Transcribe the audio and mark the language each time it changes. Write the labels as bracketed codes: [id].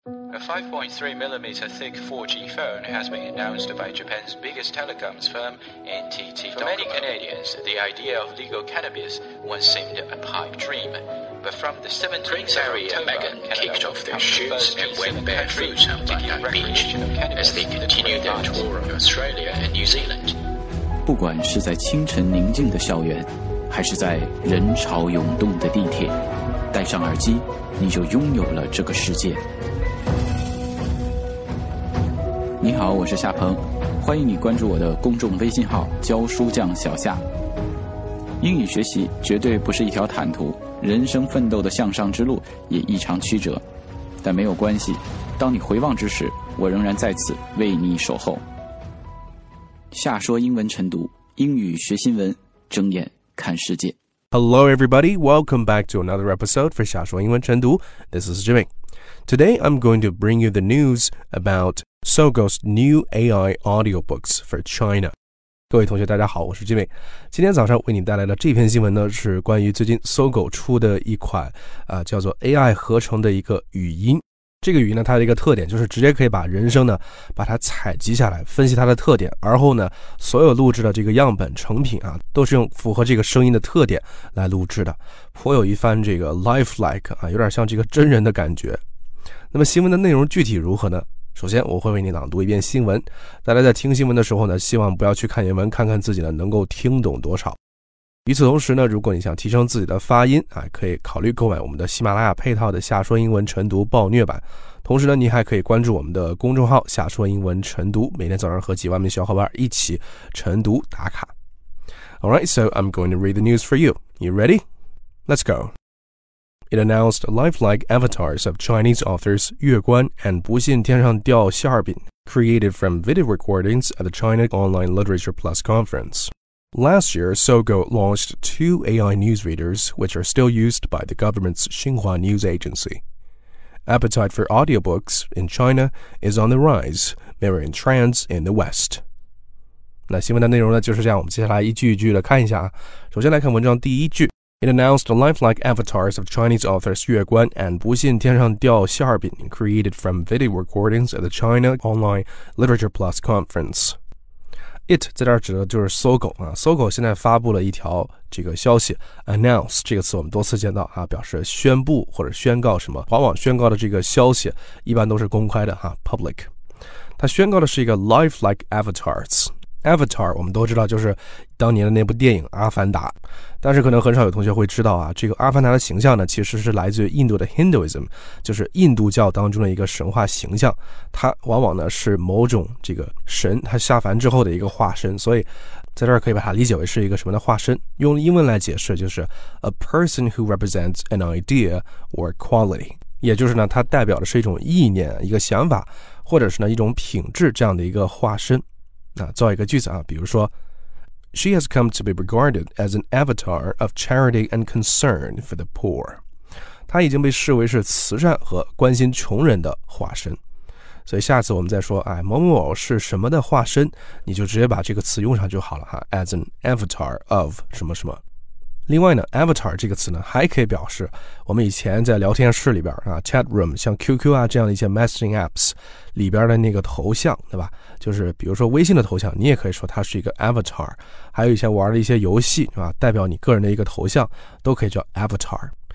[en] A 5.3mm thick 4G phone has been announced by Japan's biggest telecoms firm, NTT Docomo. For many Canadians, the idea of legal cannabis once seemed a pipe dream. But from the 7th of October, Meghan kicked off their shoots and went barefoot on Bondi Beach as they continued their tour of Australia and New Zealand. [zh] 不管是在清晨宁静的校园，还是在人潮涌动的地铁，戴上耳机，你就拥有了这个世界。你好，我是夏鹏，欢迎你关注我的公众微信号教书匠小夏。英语学习绝对不是一条坦途，人生奋斗的向上之路也异常曲折，但没有关系，当你回望之时，我仍然在此为你守候。夏说英文晨读，英语学新闻，睁眼看世界。 [en] Hello everybody, welcome back to another episode for 夏说英文晨读。 This is Jimmy. Today I'm going to bring you the news aboutSogo's new AI audiobooks for China. [zh] 各位同学大家好，我是 Jimmy。今天早上为你带来的这篇新闻呢，是关于最近 Sogo 出的一款、叫做 AI 合成的一个语音。这个语音呢，它的一个特点就是直接可以把人声呢把它采集下来，分析它的特点，而后呢所有录制的这个样本成品啊，都是用符合这个声音的特点来录制的，颇有一番这个 lifelike 啊，有点像这个真人的感觉。那么新闻的内容具体如何呢？首先我会为你朗读一遍新闻，大家在听新闻的时候呢，希望不要去看原文，看看自己呢能够听懂多少。与此同时呢，如果你想提升自己的发音、可以考虑购买我们的喜马拉雅配套的夏说英文晨读暴虐版。同时呢，你还可以关注我们的公众号夏说英文晨读，每天早上和几万名小伙伴一起晨读打卡。 [en] Alright, so I'm going to read the news for you. You ready? Let's go. It announced lifelike avatars of Chinese authors Yue Guan and 不信天上掉馅饼, created from video recordings at the China Online Literature Plus conference. Last year, Sogo launched two AI newsreaders, which are still used by the government's Xinhua News Agency. Appetite for audiobooks in China is on the rise, mirroring trends in the West. [zh] 那新闻的内容呢，就是这样，我们接下来一句一句的看一下。首先来看文章第一句。 [en] It announced lifelike avatars of Chinese authors Yue Guan and 不信天上掉馅饼 created from video recordings at the China Online Literature Plus conference. [zh] It 在这儿指的就是 Sogo 啊 ，Sogo 现在发布了一条这个消息 ，announce 这个词我们多次见到啊，表示宣布或者宣告什么，往往宣告的这个消息一般都是公开的哈 ，public。它宣告的是一个 lifelike avatars。 Avatar 我们都知道就是当年的那部电影阿凡达，但是可能很少有同学会知道啊，这个阿凡达的形象呢其实是来自于印度的 Hinduism， 就是印度教当中的一个神话形象，它往往呢是某种这个神它下凡之后的一个化身，所以在这儿可以把它理解为是一个什么的化身，用英文来解释就是 [en] A person who represents an idea or quality， [zh] 也就是呢它代表的是一种意念一个想法或者是呢一种品质这样的一个化身。造一个句子啊，比如说 [en] She has come to be regarded as an avatar of charity and concern for the poor. [zh] 她已经被视为是慈善和关心穷人的化身。所以下次我们再说、某某某是什么的化身，你就直接把这个词用上就好了哈 , [en] as an avatar of [zh] 什么什么。另外呢 ,avatar 这个词呢还可以表示我们以前在聊天室里边啊 ,chat room, 像 QQ 啊这样的一些 messaging apps 里边的那个头像对吧，就是比如说微信的头像你也可以说它是一个 avatar, 还有以前玩的一些游戏对吧，代表你个人的一个头像都可以叫 avatar。